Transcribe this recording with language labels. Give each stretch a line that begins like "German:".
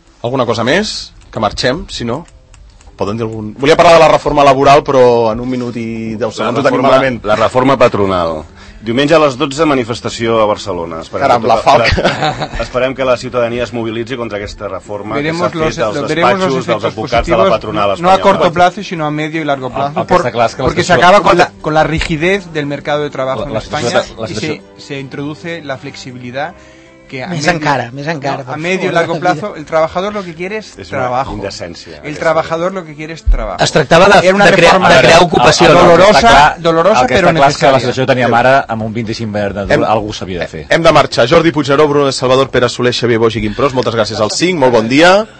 Catalan: Alguna cosa més? Que marxem, si no... Poden dir algun... Volia parlar de la reforma laboral, però en un minut i 10 segons ho tenim malament. La reforma patronal. Diumenge a les 12, manifestació a Barcelona. Caram, la falca. Esperem que la ciutadania es mobilitzi contra aquesta reforma
Spanish: veremos
Catalan: que s'ha fet dels despatxos dels advocats de la patronal espanyola.
Spanish: No a corto plazo,
Catalan: sinó
Spanish: a medio i largo plazo.
Catalan: Perquè s'acaba
Spanish: con la rigidez del mercado de trabajo en España y se introduce la flexibilidad.
Catalan: Més encara.
Spanish: No, a medio y largo plazo, el trabajador lo que quiere es trabajo. Una indecencia. El trabajador lo que quiere es trabajo.
Catalan: Es tractava de crear ocupació. Dolorosa, però necessària. El que està clar és que la situació teníem ara amb un 25 verd, algú s'havia de fer. Hem de marxar. Jordi Puigneró, Bruno de Salvador, Pere Soler, Xavier Boix i Guim Pros, moltes gràcies als 5, molt bon dia.